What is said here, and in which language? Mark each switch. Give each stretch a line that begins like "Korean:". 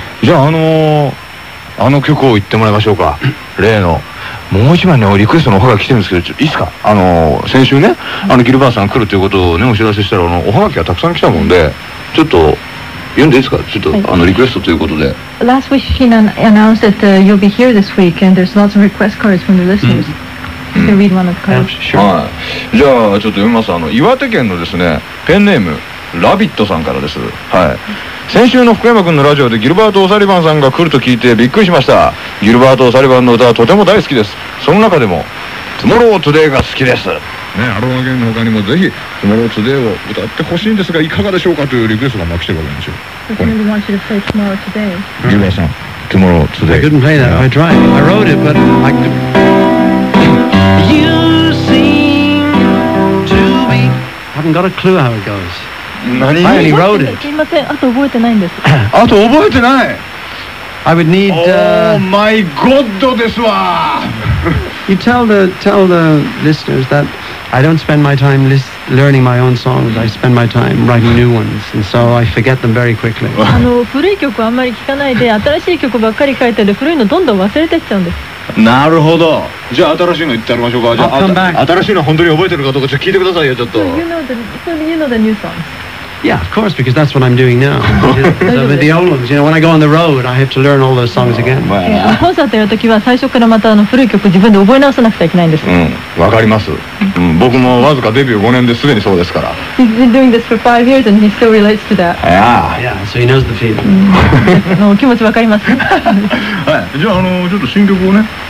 Japanese: じゃああの曲を言ってもらいましょうか。例のもう一枚ね、リクエストのおはがき来てるんですけど、いいですか。先週ね、ギルバートさん来るということをねお知らせしたら、おはがきがたくさん来たもんで、ちょっと。読んでいいですか、ちょっと、はい、リクエストということで。
English: Last week he announced that you'll be here this week and there's lots of request cards from the listeners. Can read one of the cards? Sure.
Japanese: はい、じゃあちょっと読みます。岩手県のですね、ペンネームラビットさんからです。はい。先週の福山くんのラジオでギルバート・オサリバンさんが来ると聞いてびっくりしました。ギルバート・オサリバンの歌はとても大好きです。その中でも、Tomorrow Today が好きです。ね、アローゲンの他にもぜひ Tomorrow Today を歌ってほしいんですが、いかがでしょうかというリクエストが来てるわけなんですよ。 Tomorrow Today。ギルバートさん。tomorrow today.
English: I couldn't play that. Yeah. I tried. I wrote it, but I could... You seem to be... I haven't got a clue how it goes. I only wrote it.
Japanese: すいません。あと覚えてないんです。あと覚えてない。
English: I would need... Oh my God ですわ。 You tell the listeners that I don't spend my time learning my own songs. I spend my time writing new ones, and so I forget them very quickly.
Japanese: 古い曲あんまり聴かないで、新しい曲ばっかり書いてて、古いのどんどん忘れてっちゃうんです。なるほど。じゃあ新しいの言ってやりましょうか。じゃあ新しいの本当に覚えてるかどうかちょっと聞いてくださいよ、ちょっと。
English: So you know the new songs? Yeah, of course, because that's what I'm doing now. The old ones, you know, when I go on the road, I have to learn all those songs again.
Japanese: コンサートやるときは最初からまた古い曲自分で覚え直さなくてはいけないんです。わかります。僕もわずかデビュー5年ですでにそうですから。
English: He's been doing this for 5 years and he still relates to that. Yeah, so he knows the feeling.
Japanese: 気持ちわかります。はい、じゃあちょっと新曲をね。